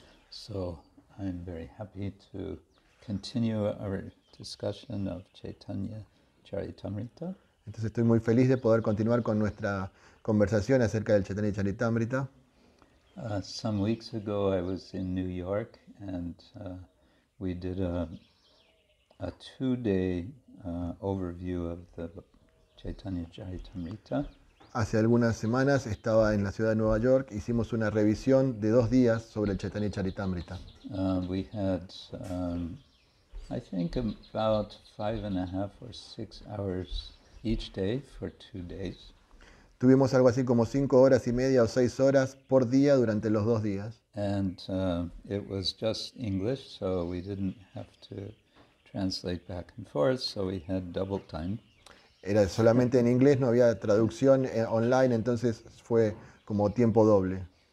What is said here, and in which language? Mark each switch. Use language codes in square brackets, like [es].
[en] So I'm very happy to continue our discussion of Chaitanya Charitamrita. [es] Entonces estoy muy feliz de poder continuar con nuestra conversación acerca del Chaitanya Charitamrita. [en] Some weeks ago I was in New York and we did a two-day overview of the Chaitanya Charitamrita. [es] Hace algunas semanas estaba en la ciudad de Nueva York, hicimos una revisión de dos días sobre el Chaitanya Charitamrita. [en] We had I think about 5.5 or 6 hours each day for 2 days. [es] Tuvimos algo así como 5 horas y media o 6 horas por día durante los 2 días. [en] And it was just English, so we didn't have to translate back and forth, so we had double time. [es] Era solamente en inglés, no había traducción online, entonces fue como tiempo doble.